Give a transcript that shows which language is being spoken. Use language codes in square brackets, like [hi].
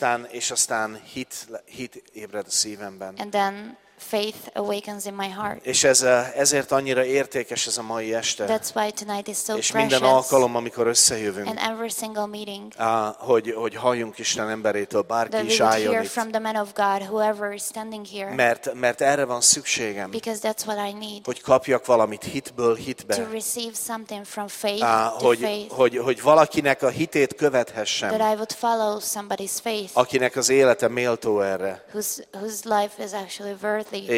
[hu] és aztán hit ébred a szívemben. [en] And then faith awakens in my heart. [hu] És ezért annyira értékes ez a mai este. [en] That's why tonight is so [hu] és [en] precious. [hu] Minden alkalom, amikor összejövünk, [en] and every single meeting, [hu] hogy halljunk Isten emberétől, bárki is álljon itt. [en] From the man of God, whoever is standing here, [hu] mert erre van szükségem. [en] Because that's what I need. [hu] Hogy kapjak valamit hitből hitbe. [en] To receive something from faith [hu] hogy valakinek a hitét követhessem. [en] That I would follow somebody's faith. [hu] Akinek az élete méltó erre. [en] Whose life is actually worth.